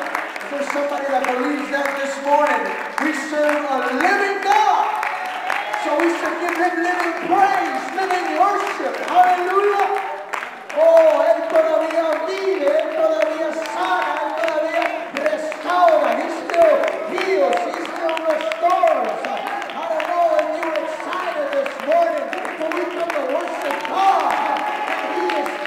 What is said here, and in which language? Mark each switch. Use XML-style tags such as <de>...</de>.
<en>If there's somebody that believes that this morning, we serve a living God. So we should give him living praise, living worship. Hallelujah.</en> <es>Oh, Él todavía vive, Él todavía sana, Él todavía restaura,</es> <en>He still heals, He still restores. I don't know if you're excited this morning, but we come to worship God.</en>